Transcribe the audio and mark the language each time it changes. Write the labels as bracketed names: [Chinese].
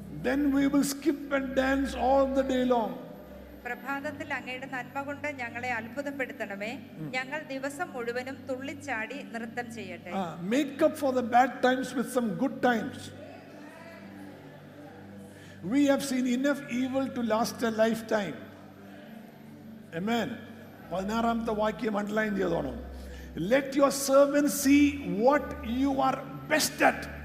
[English] Then we will skip and dance all the day long. [Malayalam] പ്രഭാതത്തിൽ അങ്ങയുടെ നന്മ കൊണ്ട് ഞങ്ങളെ അത്ഭുതപ്പെടുത്തണമേ, ഞങ്ങൾ ദിവസം മുഴുവനും തുള്ളിച്ചാടി നൃത്തം ചെയ്യട്ടെ. [English] Make up for the bad times with some good times. We have seen enough evil to last a lifetime. Amen. [Malayalam] 16th vakyam underline cheyadonu. [English] Let your servant see what you are best at.